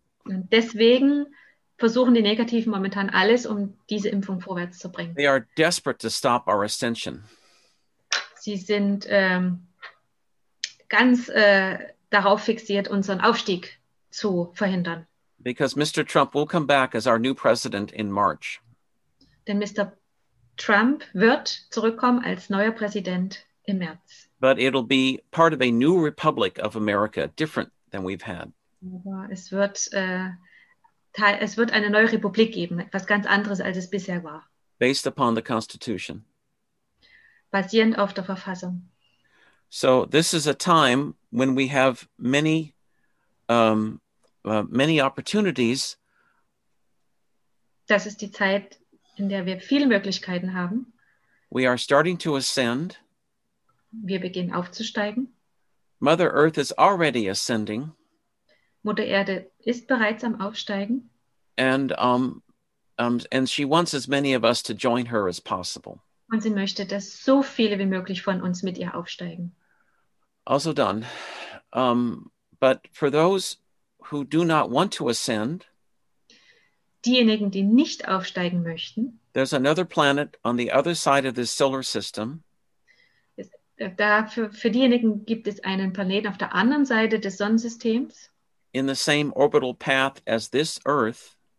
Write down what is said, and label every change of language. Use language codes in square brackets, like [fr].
[de] Und deswegen versuchen die Negativen momentan alles, um diese Impfung vorwärts zu bringen. [en] They are desperate to stop our ascension. [de] Sie sind ganz darauf fixiert, unseren Aufstieg zu verhindern. [en] Because Mr. Trump will come back as our new president in March. [de] Denn Mr. Trump wird zurückkommen als neuer Präsident im März. [en] But it'll be part of a new republic of America, different than we've had. [de] Aber es wird es wird eine neue Republik geben, etwas ganz anderes, als es bisher war. [en] Based upon the Constitution. [de] Basierend auf der Verfassung. [en] So this is a time when we have many many opportunities. [de] Das ist die Zeit, in der wir viele Möglichkeiten haben. [en] We are starting to ascend. [de] Wir beginnen aufzusteigen. [en] Mother Earth is already ascending. [de] Mutter Erde ist bereits am Aufsteigen. [en] And and she wants as many of us to join her as possible. [de] Und sie möchte, dass so viele wie möglich von uns mit ihr aufsteigen. [en] Also done. But for those who do not want to ascend, [de] diejenigen, die nicht aufsteigen möchten, [en] there's another planet on the other side of this solar system. [de] Für diejenigen gibt es einen Planeten auf der anderen Seite des Sonnensystems. [en] In the same orbital path as this Earth.